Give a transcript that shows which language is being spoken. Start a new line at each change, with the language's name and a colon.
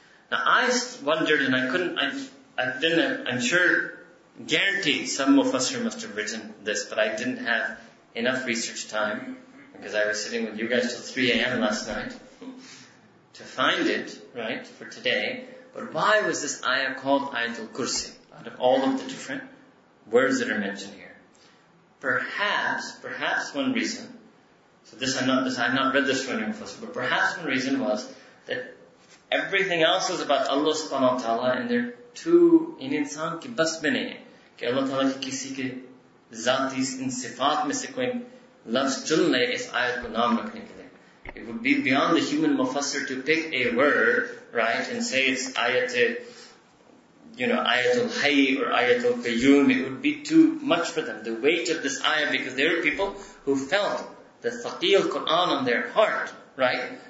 English: Now I wondered and I'm sure, guaranteed some of us here must have written this, but I didn't have enough research time, because I was sitting with you guys till 3 a.m. last night, to find it, right, for today. But why was this ayah called Ayatul Kursi, out of all of the different words that are mentioned here? Perhaps one reason, perhaps one reason was that everything else is about Allah subhanahu wa ta'ala and they're too in
Urdu: انسان کی بس میں ہے، کی اللہ تعالیٰ کی کسی کے ذاتی ان صفات میں سے کوئی لفظ چن لے اس آیت کو نام رکھنے کے لیے۔
English: It would be beyond the human mufassir to pick a word, right, and say it's ayatul hayy or ayatul qayyum. It would be too much for them, the weight of this ayah, because there are people who felt the thaqeel Quran on their heart, right?